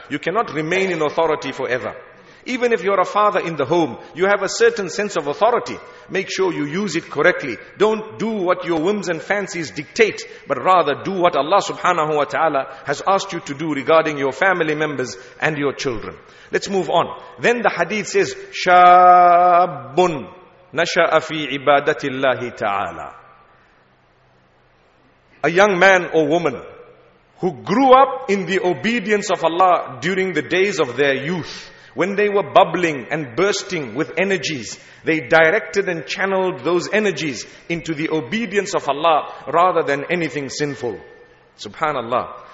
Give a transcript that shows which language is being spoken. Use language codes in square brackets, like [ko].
[en] You cannot remain in authority forever. Even if you're a father in the home, you have a certain sense of authority. Make sure you use it correctly. Don't do what your whims and fancies dictate, but rather do what Allah subhanahu wa ta'ala has asked you to do regarding your family members and your children. Let's move on. Then the hadith says, [ar] شَابٌ نَشَأَ فِي عِبَادَةِ اللَّهِ تَعَالَى. [en] A young man or woman who grew up in the obedience of Allah during the days of their youth, when they were bubbling and bursting with energies, they directed and channeled those energies into the obedience of Allah rather than anything sinful. Subhanallah.